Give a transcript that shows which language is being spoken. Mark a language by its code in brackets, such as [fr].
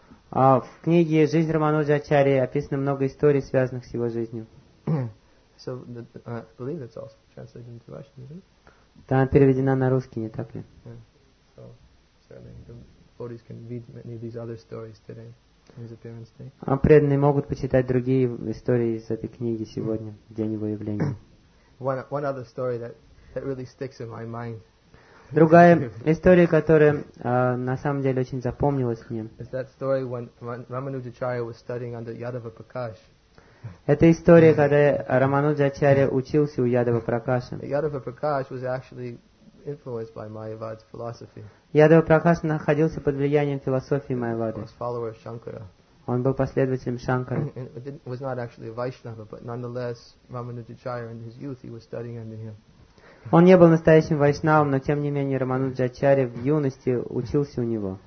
[ru] В книге «Жизнь Рамануджачарьи» описано много историй, связанных с его жизнью. [en] So, I believe it's also translated into Russian, isn't it? [ru] Да, она переведена на русский, не так ли? [en] So, certainly, the devotees can read many of these other stories today, in his appearance today. [ru] А преданные могут почитать другие истории из этой книги сегодня, в день его явления. [en] One other story that really sticks in my mind. [ru] Другая история, которая на самом деле очень запомнилась мне. [en] It's that story when Ramanujacharya was studying under Yadava Prakash. [ru] Это история, когда Рамануджачарья учился у Ядава Пракаша. [en] Yadava Prakash was actually influenced by Mayavada's philosophy. [ru] Ядава Пракаш находился под влиянием философии Майявады. [en] Was follower of Shankara. [ru] Он был последователем Шанкары. [en] Was not actually a Vaishnava, but nonetheless Ramanujacharya in his youth he was studying under him. [ru] Он не был настоящим вайшнавом, но тем не менее Рамануджачарья в юности учился у него.